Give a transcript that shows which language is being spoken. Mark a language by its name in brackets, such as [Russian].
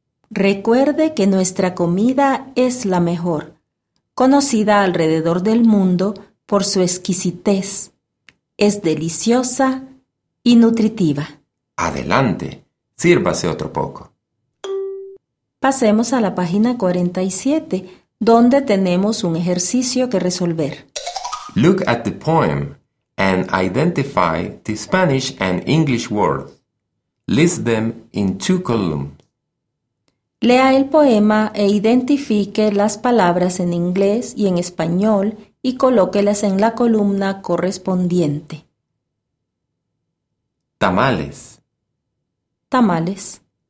[Spanish] Recuerde que nuestra comida es la mejor, conocida alrededor del mundo por su exquisitez. Es deliciosa y nutritiva. ¡Adelante! Sírvase otro poco. Pasemos a la página 47, donde tenemos un ejercicio que resolver. [English] Look at the poem and identify the Spanish and English words. List them in two columns. [Spanish] Lea el poema e identifique las palabras en inglés y en español y colóquelas en la columna correspondiente. Tamales. Tamales.